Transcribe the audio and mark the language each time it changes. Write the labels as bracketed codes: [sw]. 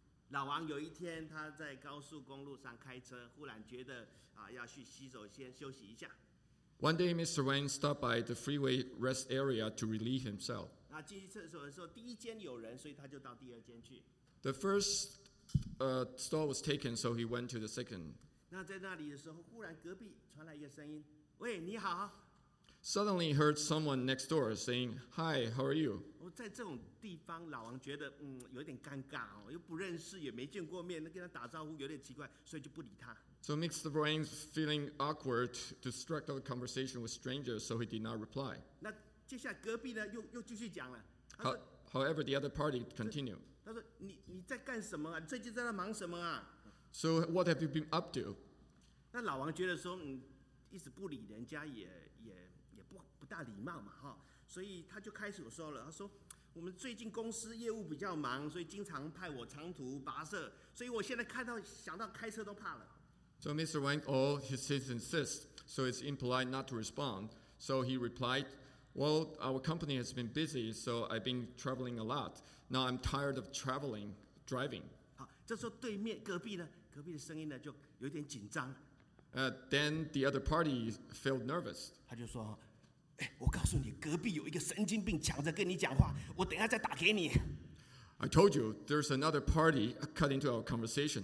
[zh] 老王有一天他在高速公路上开车，忽然觉得要去洗手间休息一下。 [en] One day, Mr. Wang stopped by the freeway rest area to relieve himself. The first stall was taken, so he went to the second. [zh] 那在那里的时候，忽然隔壁传来一个声音：“喂，你好。” [en] Suddenly, he heard someone next door saying, "Hi, how are you?" [zh] 我在这种地方，老王觉得有点尴尬哦，又不认识，也没见过面，那跟他打招呼有点奇怪，所以就不理他。 [en] So Mr. Wang feeling awkward to strike up a conversation with strangers, so he did not reply. [zh] 那接下来隔壁呢又继续讲了。 [en] However, the other party continued. [zh] 他说你在干什么啊？最近在那忙什么啊 [en] ？So what have you been up to? [zh] 那老王觉得说一直不理人家也不大礼貌嘛哈，所以他就开始说了，他说。我们最近公司业务比较忙，所以经常派我长途跋涉，所以我现在看到想到开车都怕了。 [en] So Mr. Wang, all his insists, so it's impolite not to respond. So he replied, "Well, our company has been busy, so I've been traveling a lot. Now I'm tired of traveling, driving." [zh] 好，这时候对面隔壁的声音呢就有点紧张。 [en] Then the other party felt nervous. [zh] 他就说。我告诉你，隔壁有一个神经病抢着跟你讲话，我等下再打给你。 [en] I told you there's another party cut into our conversation.